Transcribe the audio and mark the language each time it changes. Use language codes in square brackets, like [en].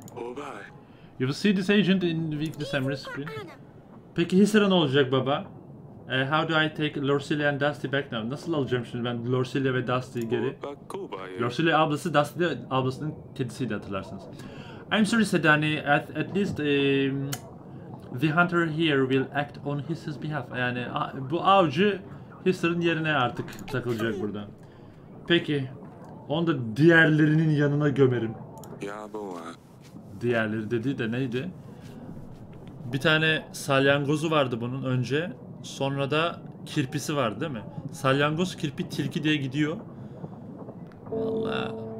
[en] You will see this agent in the weekly summary screen. [tr] Peki Hisra ne olacak baba? [en] How do I take Lorsilia and Dusty back now? [tr] Nasıl alacağım şimdi ben Lorsilia ve Dusty'yi geri? Lorsilia ablası, Dusty ablasının kedisiydi hatırlarsınız. [en] I'm sorry Sedani, at least the hunter here will act on his behalf. [tr] Yani bu avcı Hisra'nın yerine artık takılacak burada. Peki, onu da diğerlerinin yanına gömerim. Diğerleri dediği de neydi? Bir tane salyangozu vardı bunun önce. Sonra da kirpisi vardı değil mi? Salyangoz, kirpi, tilki diye gidiyor. Valla.